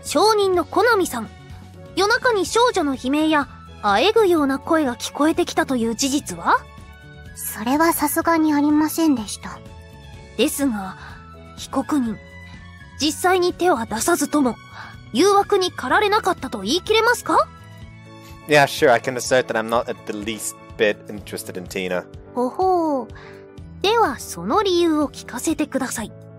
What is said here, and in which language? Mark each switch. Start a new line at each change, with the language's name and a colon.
Japanese: 証人のコナミさん、夜中に少女の悲鳴やあえぐような声が聞こえてきたという事実は？それはさすがにありませんでした。ですが、被告人、実際に手は出さずとも、誘惑に駆られなかったと言い切れますか？
English: Yeah, sure, I can assert that I'm not at the least bit interested in Tina.
Japanese: ほほう。では、その理由を聞かせてください。